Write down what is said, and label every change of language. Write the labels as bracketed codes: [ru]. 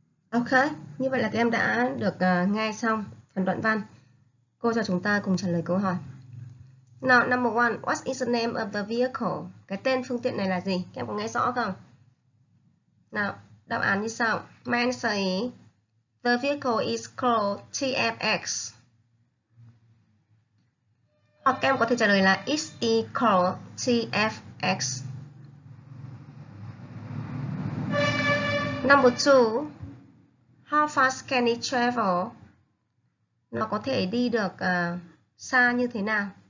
[vi] Ok, như vậy là các em đã được nghe xong phần đoạn văn. Cô cho chúng ta cùng trả lời câu hỏi. [en] Now, number one, what is the name of the vehicle? [vi] Cái tên phương tiện này là gì? Các em có nghe rõ không? Nào, đáp án như sau. [en] My answer is, the vehicle is called TFX. [vi] Hoặc các em có thể trả lời là, [en] it is called TFX. Number two, how fast can it travel? [vi] Nó có thể đi được xa như thế nào?